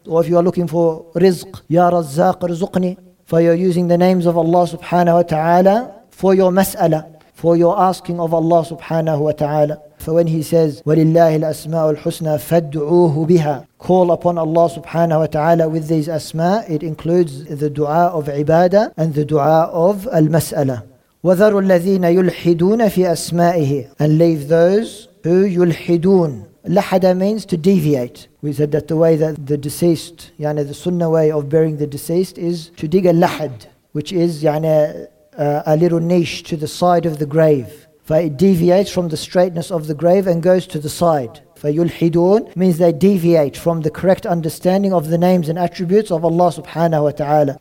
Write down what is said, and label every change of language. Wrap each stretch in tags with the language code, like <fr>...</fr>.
<en>Or if you are looking for rizq,</en> <ar>Ya Razzaq, irzuqni.</ar> <en>For you are using the names of Allah subhanahu wa ta'ala for your mas'ala, for your asking of Allah subhanahu wa ta'ala. For when He says,</en> <ar>وَلِلَّهِ الْأَسْمَاءُ الْحُسْنَى فَادْعُوهُ بِهَا,</ar> <en>call upon Allah subhanahu wa ta'ala with these asma, it includes the dua of ibadah and the dua of al-mas'ala.</en> <ar>وَذَرُوا الَّذِينَ يُلْحِدُونَ فِي أَسْمَائِهِ,</ar> <en>and leave those who يُلْحِدُونَ. Lahada means to deviate. We said that the way that the deceased, yani the sunnah way of burying the deceased, is to dig a lahad, which is yani a little niche to the side of the grave. For it deviates from the straightness of the grave and goes to the side. فَيُلْحِدُونَ means they deviate from the correct understanding of the names and attributes of Allah subhanahu wa ta'ala.</en>